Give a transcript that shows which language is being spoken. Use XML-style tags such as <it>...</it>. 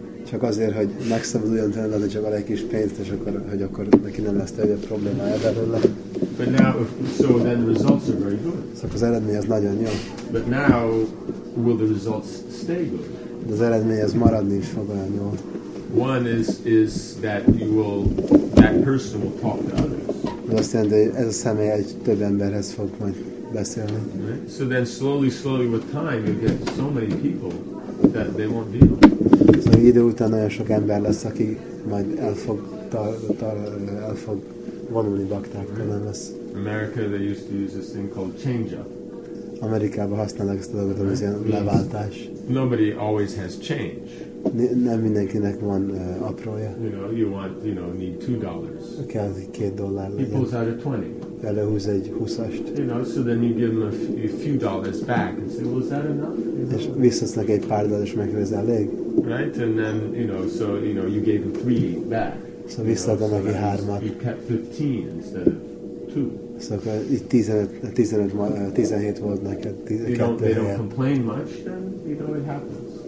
<hu>Csak azért, hogy megszabaduljon tőled, hogy csak van egy kis pénzt, és akkor, hogy akkor neki nem lesz több problémája belőle.</hu> <en>But now, so then the results are very good.</en> <hu>Szóval az eredmény az nagyon jó.</hu> <en>But now, will the results stay good?</en> <hu>De az eredmény az maradni is fog olyan jól.</hu> <en>One is that you will, that person will talk to others.</en> <hu>Azt jelenti, hogy ez a személy egy több emberhez fog majd beszélni.</hu> <en>Right? So then slowly, slowly with time you get so many people that they won't be.</en> <hu>Szóval idő után nagyon sok ember lesz, aki majd el fog vonulni baktáktól, nem lesz.</hu> <en>America, they used to use this thing called change-up.</en> <hu>Amerikában használnak ezt a dolgot, az ilyen leváltás.</hu> <en>Nobody always has change.</en> <hu>Nem mindenkinek van aprója.</hu> <en>You know, you want, you know, need $2.</en> <hu>Kell egy $2 legyen.</hu> <en>He pulls out a 20.</en> <hu>Elehúz egy 20-ast.</hu> <en>You know, so then you give him a few dollars back and say, well, is that enough?</en> <hu>És visszasznak egy pár dollár, és megkérdez, elég?</hu> <en>Right, and then, you know, so, you know, you gave him 3 back.</en> <hu>So visszadom neki 3-at.</hu> <en>You kept 15 instead of 2.</en> <hu>So akkor itt 17 volt neked, 12 helyen.</hu> <en>They don't complain much, then, you know, it happens.</en>